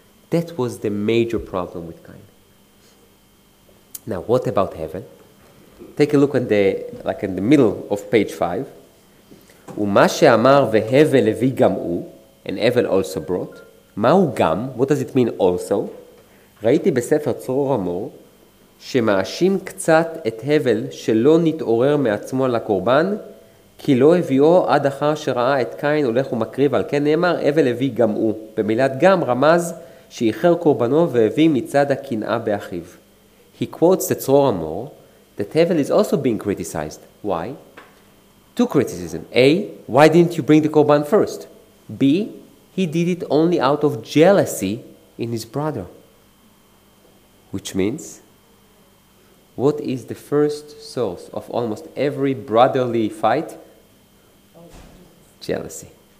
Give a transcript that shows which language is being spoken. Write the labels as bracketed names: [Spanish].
[English] That was the major problem with Cain. Now, what about heaven? Take a look at the, like in the middle of page 5. [Hebrew] ומה שאמר והבל הביא גם הוא, [English] and Hevel also brought, [Hebrew] מה הוא גם, [English] what does it mean also? [Hebrew] ראיתי בספר צרור המור, שמאשים קצת את הבל שלא נתעורר מעצמו על הקורבן, כי לא הביאו עד אחר שראה את קין הולך ומקריב, על כן נאמר, הבל הביא גם הוא. במילת גם רמז שאיחר קורבנו והביא מצד הקנאה באחיו. [English] He quotes the Tzror Amor that Hevel is also being criticized. Why? Two criticisms. A, why didn't you bring the korban first? B, he did it only out of jealousy in his brother. Which means, what is the first source of almost every brotherly fight? Jealousy.